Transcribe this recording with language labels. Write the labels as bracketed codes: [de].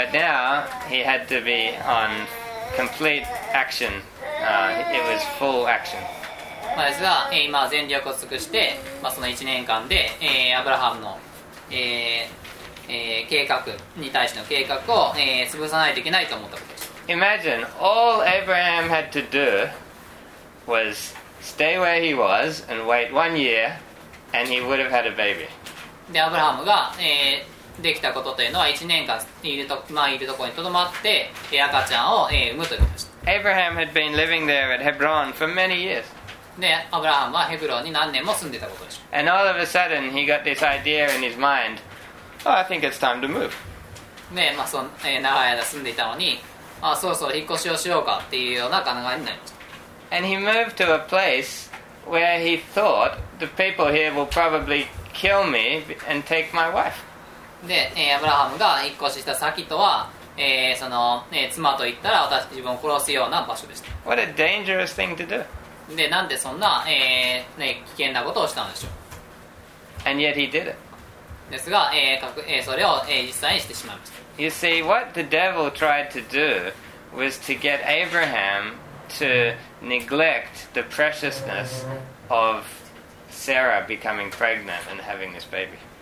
[en] But now he had to be on complete action. It was full action. [ja] まあですが、今全力を尽くして、まあ、その1年間で、アブラハムの、計画に対しての計画を、潰さないといけないと思ったことです。 [en] Imagine, all Abraham had to do was stay where he was and wait 1 year and he would have had a baby. [ja] で、アブラハムが、できたことというのは1年間いるところにとどまって赤ちゃんを、産むということでした。 [en] Abraham had been living there at Hebron for many years. [ja] で、アブラハムはヘブロンに何年も住んでたことでした。 [en] And all of a sudden he got this idea in his mind. Oh, I think it's time to move. [ja] ね、まあ、長い間住んでいたのに、まあ、そろそろ引っ越しをしようかっていうような考えになりました。 [en] And he moved to a place where he thought the people here will probably kill me and take my wife. [ja] で、アブラハムが引っ越しした先とは、その、妻と言ったら私自分を殺すような場所でした。 [en] What a dangerous thing to do. [ja] で、なんでそんな、危険なことをしたんでしょう。 [en] And yet he did it. [ja] ですが、それを、実際にしてしまいました。 [en] You see, what the devil tried to do was to get Abraham to neglect the preciousness of Sarah becoming pregnant and having this baby.